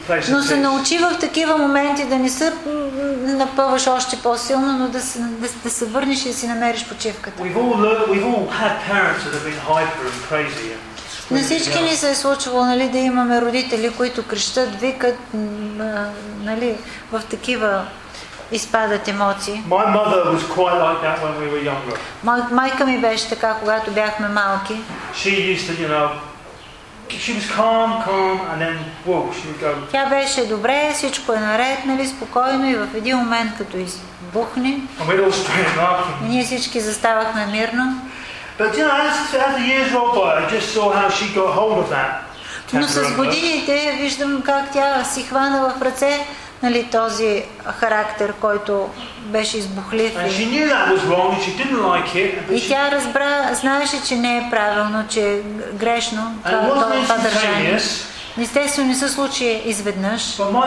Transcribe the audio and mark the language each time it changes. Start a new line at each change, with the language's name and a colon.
Bulgarian: Но се научи в такива моменти да не се напъваш още по-силно, но да се върнеш и да си намериш почивката.
English: We've all had parents that have been hyper and crazy.
Bulgarian: На всички ни се е случвало, нали, да имаме родители, които крещат, викат, нали, в такива изпадат емоции.
English: My mother was quite like that when we were younger.
Bulgarian: Майка ми беше така, когато бяхме малки.
English: She used to, you know, she was calm, and then whoa, she would go.
Bulgarian: Тя беше добре, всичко е наред, нали, спокойно, и в един момент като избухне.
English: And we'd all stand up.
Bulgarian: И ние всички заставахме мирно.
English: But you know, as the years rolled by, I just saw how she got hold of that.
Bulgarian: Но с годините виждам как тя си хвана в ръце, нали, този характер, който беше избухлив.
English: And she knew that was wrong and she didn't like it.
Bulgarian: И тя разбра, знаеше, че не е правилно, че е грешно това държание. Естествено, не се случи изведнъж.